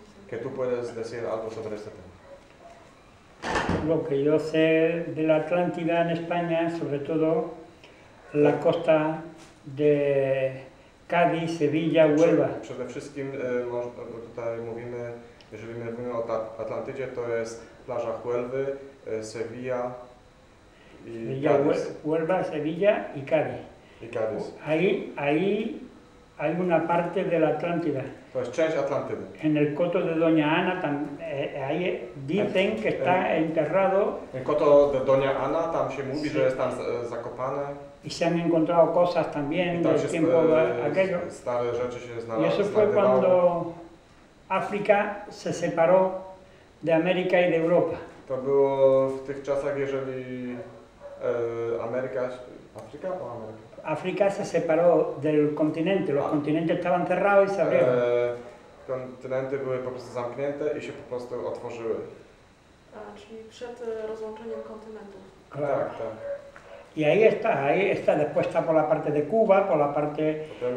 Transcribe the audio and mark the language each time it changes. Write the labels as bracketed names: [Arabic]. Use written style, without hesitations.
[Spanish] Que tú puedes decir algo sobre este tema. Lo que yo sé de la Atlántida en España, sobre todo la costa de Cádiz, Sevilla, Huelva. [Polish] Przede wszystkim tutaj mówimy, jeżeli mówimy o Atlantydzie, to jest plaża Huelvy, Sevilla i Cádiz. Huelva, Sevilla i Cádiz. I Cádiz. [Spanish] Ahí hay una parte de la Atlántida. [Polish] To jest część Atlantydy. [Spanish] En el Coto de Doña Ana, tam, ahí dicen que está enterrado. [Polish] En Coto de Doña Ana, tam się mówi, sí, że jest tam zakopane. [Spanish] Y se han encontrado cosas también del tiempo aquello. [Polish] Stare rzeczy się znalazły. [Spanish] Y eso fue cuando África se separó de América y de Europa. [Polish] To było w tych czasach, jeżeli Ameryka... Afryka o Ameryka? [Spanish] África se separó del continente, los continentes estaban cerrados y se abrieron. [Polish] Kontynenty były po prostu zamknięte i się po prostu otworzyły. Czyli przed rozłączeniem kontynentów. Claro. Tak, tak. [Spanish] I ahí está después está por la parte de Cuba, por la parte